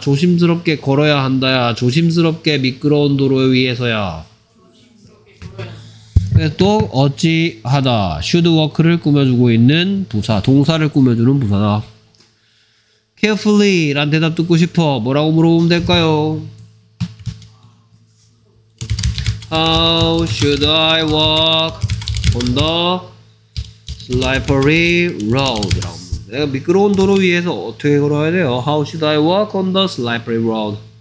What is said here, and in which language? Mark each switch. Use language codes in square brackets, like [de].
[ko] 조심스럽게 걸어야 한다야. 조심스럽게 미끄러운 도로 위에서야. 또 어찌 하다. Should walk를 꾸며주고 있는 부사. 동사를 꾸며주는 부사다. Carefully 라는 대답 듣고 싶어. 뭐라고 물어보면 될까요? [en] How should I walk on the slippery road? [ko] 내가 미끄러운 도로 위에서 어떻게 걸어야 돼요? [en] How should I walk on the slippery road?